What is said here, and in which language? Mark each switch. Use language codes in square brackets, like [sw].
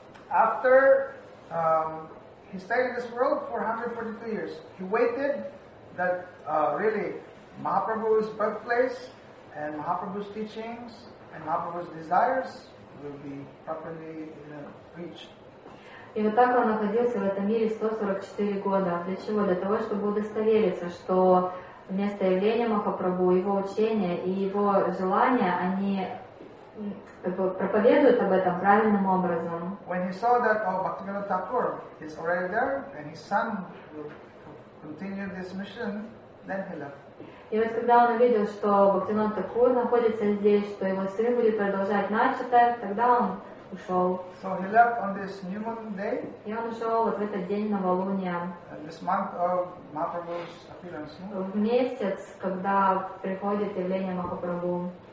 [en] After he stayed in this world for 142 years, he waited that really Mahaprabhu's birthplace and Mahaprabhu's teachings and Mahaprabhu's desires will be properly reached. [ru] И вот так он находился в этом мире 144 года. Для чего? Для того, чтобы удостовериться, что место явления Махапрабху, его учение и его желания, они как бы проповедуют об этом правильным образом. [en] When he saw that Bhaktivinoda Thakur is already there and his son will continue this mission, then he left. [ru] И вот когда он увидел, что Бхактивинода Такур находится здесь, что его сын будет продолжать начатое, тогда он ушел. [en] So he left on this new moon day. [ru] И он ушел вот в этот день новолуния. [en] This month of Mahaprabhu's appearance. [ru] В месяц, когда приходит явление Махапрабху.